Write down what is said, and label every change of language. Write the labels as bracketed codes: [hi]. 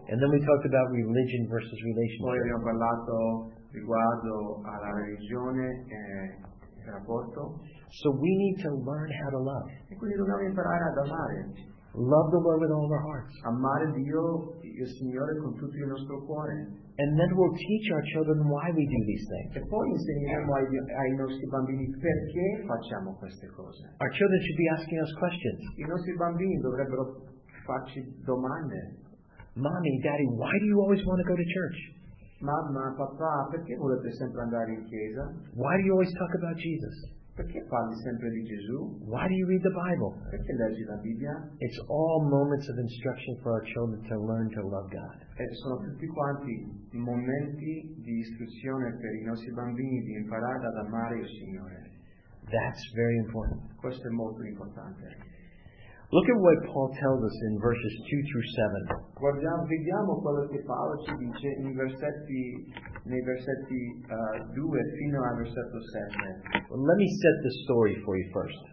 [en] and then we talked about religion versus relationship. [it] Poi abbiamo parlato riguardo alla religione e rapporto. [en] So we need to learn how to love. [it] E quindi dobbiamo imparare ad amare. [en] Love the Lord with all our hearts. [it] Amare Dio, il Signore, con tutto il nostro cuore. [en] And then we'll teach our children why we do these things. [it] E poi insegneremo ai nostri bambini perché facciamo queste cose. [en] Our children should be asking us questions. [it] I nostri bambini dovrebbero farci domande. [en] Mommy, Daddy, why do you always want to go to church? [it] Mamma, papà, perché volete sempre andare in chiesa? [en] Why do you always talk about Jesus? [it] Perché parli sempre di Gesù? [en] Why do you read the Bible? [it] Perché leggi la Bibbia? [en] It's all moments of instruction for our children to learn to love God. [it] E sono tutti quanti momenti di istruzione per I nostri bambini di imparare ad amare il Signore. [en] That's very important. [it] Questo è molto importante. [en] Look at what Paul tells us in verses 2 through 7. [it] Guardiamo, vediamo quello che Paolo ci dice in versetti, nei versetti 2 fino al versetto 7. [en] Well, let me set the story for you first.